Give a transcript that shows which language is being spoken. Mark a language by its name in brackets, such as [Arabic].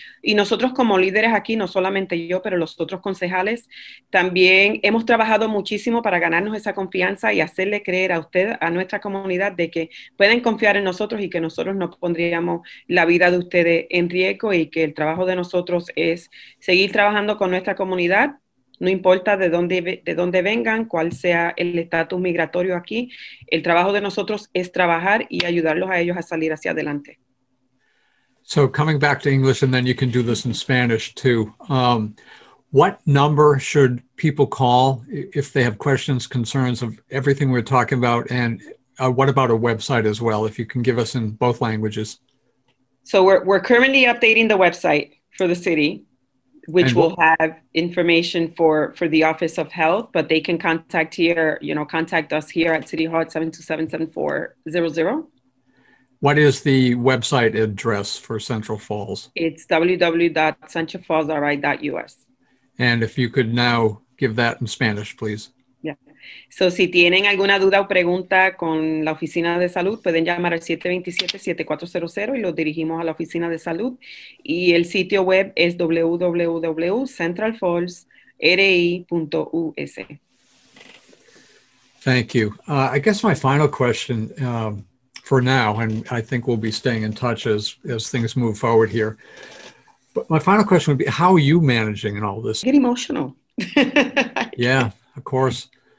[Spanish] Y nosotros como líderes aquí, no solamente yo, pero los otros concejales, también hemos trabajado muchísimo para ganarnos esa confianza y hacerle creer a usted, a nuestra comunidad, de que pueden confiar en nosotros y que nosotros no pondríamos la vida de ustedes en riesgo y que el trabajo de nosotros es seguir trabajando con nuestra comunidad, no importa de dónde vengan, cuál sea el estatus migratorio aquí. El trabajo de nosotros es trabajar y ayudarlos a ellos a salir hacia adelante. [English] So coming back to English, and then you can do this in Spanish too. What number should people call if they have questions, concerns of everything we're talking about? And what about a website as well, if you can give us in both languages? So we're currently updating the website for the city, which will have information for the Office of Health, but they can contact here, you know, contact us here at City Hall at 727-7400. What is the website address for Central Falls? It's www.centralfallsri.us. And if you could now give that in Spanish, please. Yeah. [Spanish] So si tienen alguna duda o pregunta con la oficina de salud, pueden llamar al 727-7400 y los dirigimos a la oficina de salud. Y el sitio web es www.centralfallsrei.us. [English] Thank you. I guess my final question for now, and I think we'll be staying in touch as things move forward here. But my final question would be, how are you managing in all this? Get emotional. Yeah, of course.